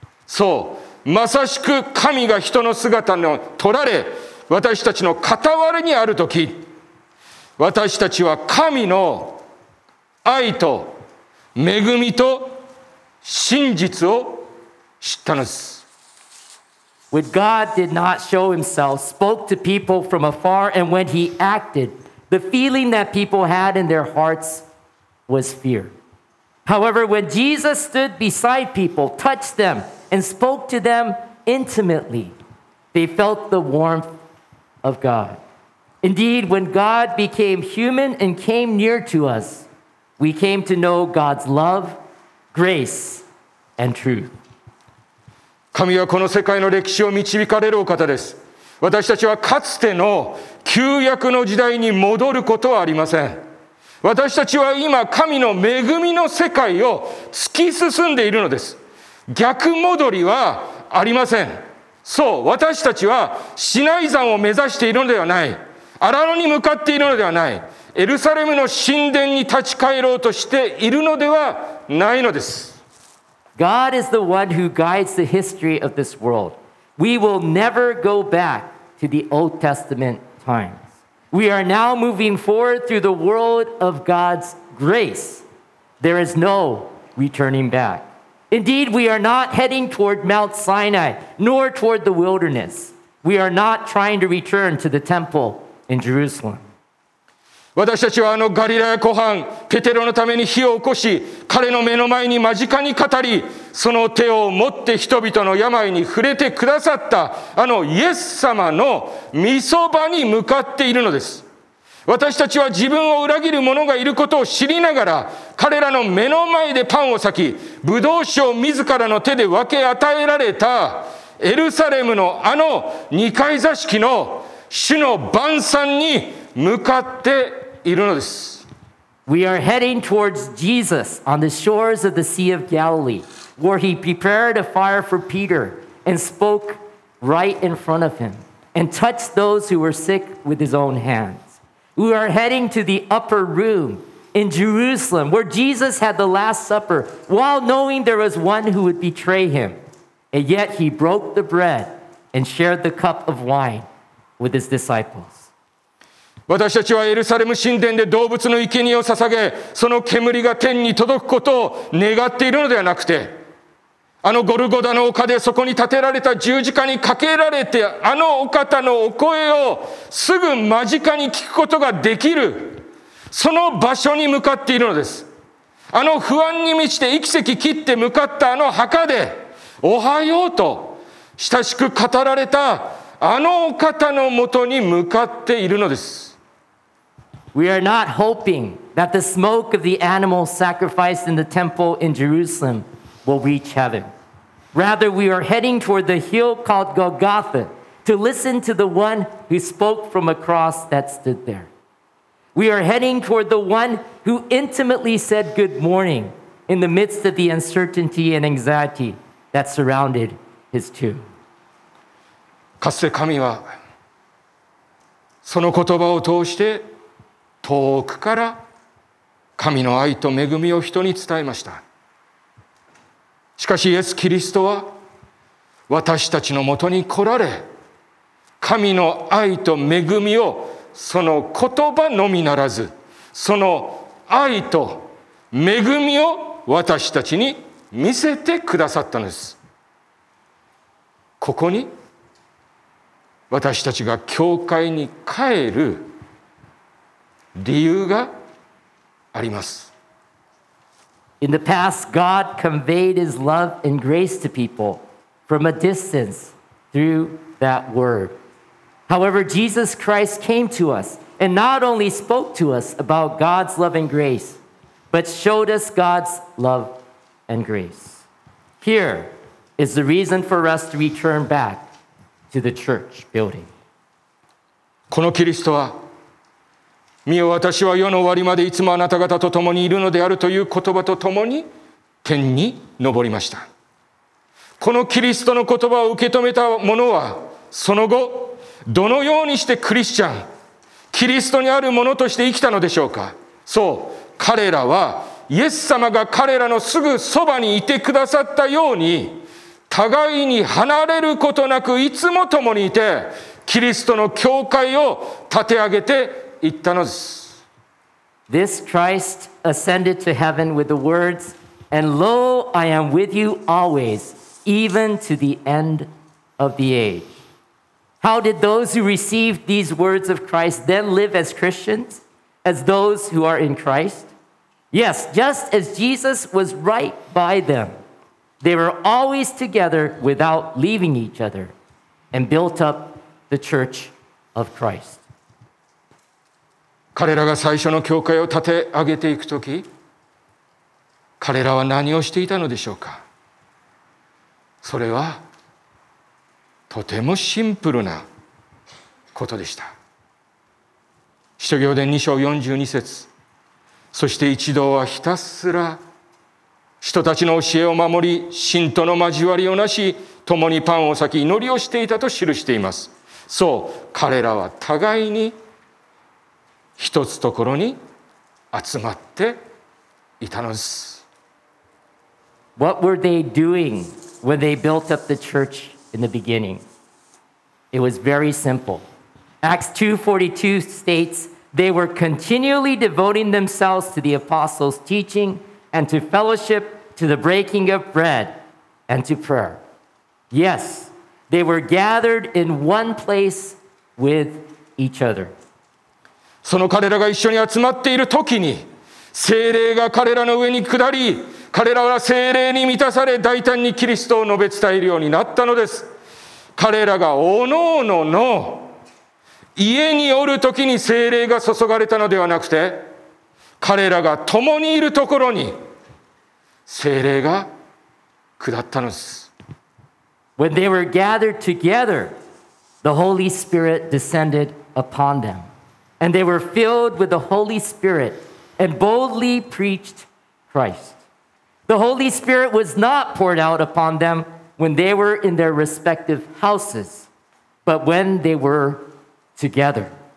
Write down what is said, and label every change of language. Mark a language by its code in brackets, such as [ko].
[ja] そう、まさしく神が人の姿に取られ、私たちの傍らにあるとき、私たちは神の愛と恵みと真実を知ったのです。 [en] When God did not show himself, spoke to people from afar, and when he acted, the feeling that people had in their hearts was fear. However, when Jesus stood beside people, touched them, and spoke to them intimately, they felt the warmth of God. Indeed, when God became human and came near to us, we came to know God's love, grace, and truth. [ja] 神はこの世界の歴史を導かれるお方です。私たちはかつての旧約の時代に戻ることはありません。私たちは今神の恵みの世界を突き進んでいるのです。逆戻りはありません。そう、私たちはシナイ山を目指しているのではない。アラノに向かっているのではない。エルサレムの神殿に立ち返ろうとしているのではないのです。 [en] God is the one who guides the history of this world. We will never go back to the Old Testament times. We are now moving forward through the world of God's grace. There is no returning back. Indeed, we are not heading toward Mount Sinai, nor toward the wilderness. We are not trying to return to the temple in Jerusalem. [ja] 私たちはあのガリラヤ湖畔、ペテロのために火を起こし、彼の目の前に間近に語り、その手を持って人々の病に触れてくださった、あのイエス様の御そばに向かっているのです。私たちは自分を裏切る者がいることを知りながら、彼らの目の前でパンを裂き、ブドウ酒を自らの手で分け与えられた、エルサレムのあの二階座敷の主の晩餐に、向かっているのです。 [en] We are heading towards Jesus on the shores of the Sea of Galilee, where he prepared a fire for Peter and spoke right in front of him and touched those who were sick with his own hands. We are heading to the upper room in Jerusalem, where Jesus had the Last Supper while knowing there was one who would betray him. And yet he broke the bread and shared the cup of wine with his disciples. [ja] 私たちはエルサレム神殿で動物の生贄を捧げ、その煙が天に届くことを願っているのではなくて、あのゴルゴダの丘でそこに立てられた十字架にかけられて、あのお方のお声をすぐ間近に聞くことができる、その場所に向かっているのです。あの不安に満ちて息せき切って向かったあの墓で、おはようと親しく語られた、あのお方のもとに向かっているのです。 [en] We are not hoping that the smoke of the animal sacrificed in the temple in Jerusalem will reach heaven. Rather, we are heading toward the hill called Golgotha to listen to the one who spoke from a cross that stood there. We are heading toward the one who intimately said good morning in the midst of the uncertainty and anxiety that surrounded his tomb. [ja] かつて神はその言葉を通して遠くから神の愛と恵みを人に伝えました。しかしイエス・キリストは私たちのもとに来られ、神の愛と恵みをその言葉のみならず、その愛と恵みを私たちに見せてくださったのです。ここに私たちが教会に帰る理由があります。 [en] In the past, God conveyed his love and grace to people from a distance through that word. However, Jesus Christ came to us and not only spoke to us about God's love and grace, but showed us God's love and grace. Here is the reason for us to return back to the church building. [ja] このキリストは、見よ、私は世の終わりまでいつもあなた方と共にいるのであるという言葉と共に天に昇りました。このキリストの言葉を受け止めた者は、その後どのようにしてクリスチャン、キリストにある者として生きたのでしょうか。そう、彼らはイエス様が彼らのすぐそばにいてくださったように、互いに離れることなくいつも共にいて、キリストの教会を立て上げていったのです。 [en] This Christ ascended to heaven with the words, "And lo, I am with you always, even to the end of the age." How did those who received these words of Christ then live as Christians, as those who are in Christ? Yes, just as Jesus was right by them, they were always together without leaving each other, and built up the church of Christ. [ja] 彼らが最初の教会を立て上げていくとき、彼らは何をしていたのでしょうか。それはとてもシンプルなことでした。使徒行伝2章42節、そして一同はひたすら人たちの教えを守り、信徒の交わりをなし、共にパンを裂き祈りをしていたと記しています。そう、彼らは互いに一つところに集まっていたのです。 [en] What were they doing when they built up the church in the beginning? It was very simple. Acts 2:42 states, they were continually devoting themselves to the apostles' teaching and to fellowship, to the breaking of bread, and to prayer. Yes, they were gathered in one place with each other. [ja] その彼らが一緒に集まっている時に、聖霊が彼らの上に下り、彼らは聖霊に満たされ、大胆にキリストを述べ伝えるようになったのです。彼らがおのおのの家におる時に聖霊が注がれたのではなくて、彼らが共にいるところに聖霊が下ったのです。 [en] When they were gathered together, the Holy Spirit descended upon them, and they were filled with the Holy Spirit and boldly preached Christ. The Holy Spirit was not poured out upon them when they were in their respective houses, but when they were together.